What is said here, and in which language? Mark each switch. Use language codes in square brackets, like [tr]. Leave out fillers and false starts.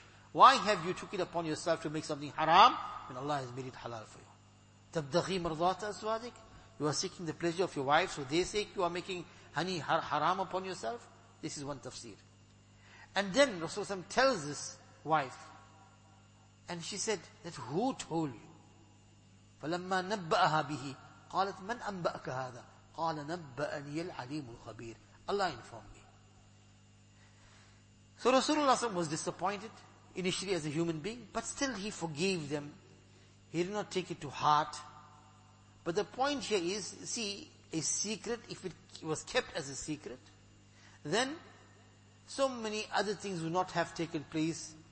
[en] Why have you took it upon yourself to make something haram when Allah has made it halal for you? [ar] Tabdaghi marzata aswadik? [en] You are seeking the pleasure of your wife, so they say you are making honey haram upon yourself? This is one tafsir. And then Rasulullah sallallahu alayhi wa sallam tells this wife, and she said, that who told you? [ar] فَلَمَّا نَبَّأَهَا بِهِ قَالَتْ مَنْ أَنْبَأَكَ هَذَا قَالَ نَبَّأَنِيَ الْعَلِيمُ الْخَبِيرُ [en] Allah informed me. So Rasulullah was disappointed initially as a human being, but still he forgave them. He did not take it to heart. But the point here is, see, a secret, if it was kept as a secret, then so many other things would not have taken place.